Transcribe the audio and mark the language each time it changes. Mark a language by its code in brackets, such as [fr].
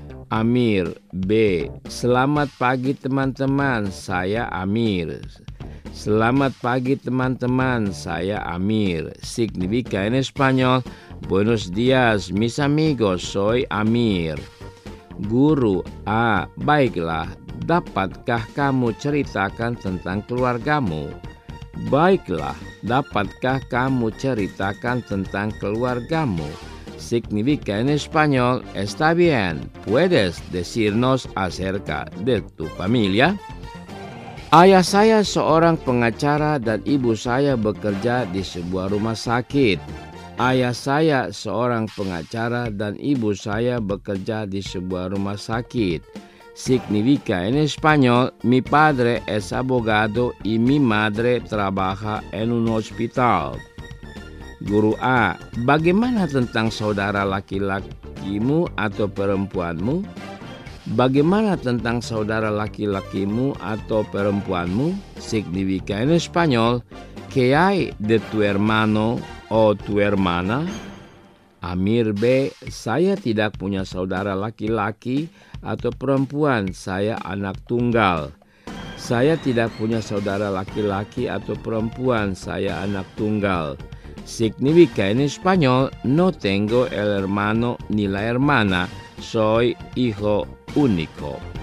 [id] Amir B. Selamat pagi teman-teman, saya Amir. Selamat pagi teman-teman, saya Amir. [es] Significa en español. Buenos días, mis amigos, soy Amir. [id] Guru, baiklah, dapatkah kamu ceritakan tentang keluargamu? Baiklah, dapatkah kamu ceritakan tentang keluargamu? [es] Significa en español, está bien, puedes decirnos acerca de tu familia. [id] Ayah saya seorang pengacara dan ibu saya bekerja di sebuah rumah sakit. Ayah saya seorang pengacara dan ibu saya bekerja di sebuah rumah sakit. [es] Significa en español, mi padre es abogado y mi madre trabaja en un hospital. [id] Guru A, bagaimana tentang saudara laki-lakimu atau perempuanmu? Bagaimana tentang saudara laki-lakimu atau perempuanmu? [es] Significa en español, ¿qué hay de tu hermano o tu hermana? [id] Amir B, saya tidak punya saudara laki-laki atau perempuan, saya anak tunggal. Saya tidak punya saudara laki-laki atau perempuan, saya anak tunggal. [es] Significa en español, no tengo el hermano ni la hermana, soy hijo único.